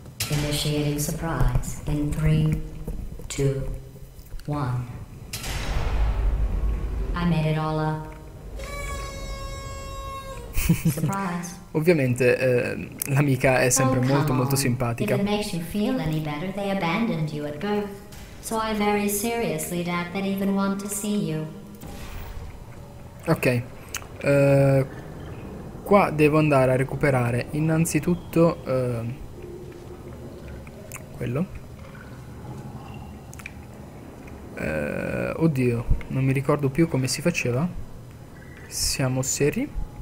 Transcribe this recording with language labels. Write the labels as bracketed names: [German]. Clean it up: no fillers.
[English] Initiating surprise in 3, 2, 1. I made it all up. Surprise. [Italian] Ovviamente l'amica è sempre molto molto simpatica. [English] If it makes you feel any better, they abandoned you at birth. So I very seriously doubt they even want to see you. Ok. [Italian] Qua devo andare a recuperare innanzitutto quello. Oddio, non mi ricordo più come si faceva. Siamo seri?